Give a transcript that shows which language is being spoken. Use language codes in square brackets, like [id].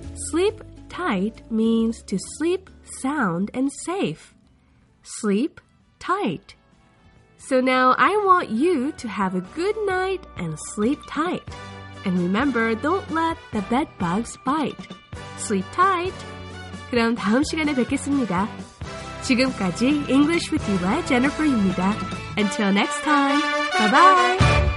[en] Sleep tight means to sleep sound and safe. Sleep tight. So now I want you to have a good night and sleep tight. And remember, don't let the bed bugs bite. Sleep tight. [ko] 그럼 다음 시간에 뵙겠습니다. 지금까지 [en] English with You의 Jennifer입니다. Until next time, bye-bye!